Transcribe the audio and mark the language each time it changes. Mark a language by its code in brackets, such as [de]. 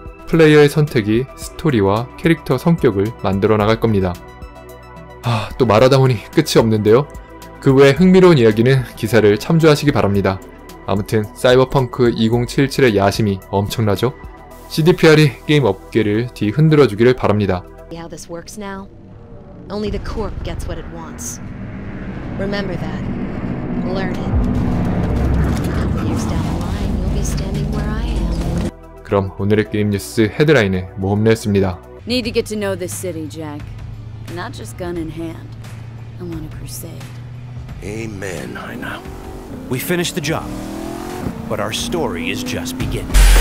[ko] 플레이어의 선택이 스토리와 캐릭터 성격을 만들어 나갈 겁니다. 아, 또 말하다 보니 끝이 없는데요. 그 외 흥미로운 이야기는 기사를 참조하시기 바랍니다. 아무튼 사이버펑크 2077의 야심이 엄청나죠? CDPR이 게임 업계를 뒤흔들어 주기를 바랍니다. [en] How this works now? Only the corp gets what it wants. Remember that. Learn it. Years down the line, you'll be standing where I am. [ko] 그럼 오늘의 게임 뉴스 헤드라인에 모험내였습니다. [en] Need to get to know this city, Jack. Not just gun in hand. I want a crusade. Amen, Hina. We finished the job, but our story is just beginning.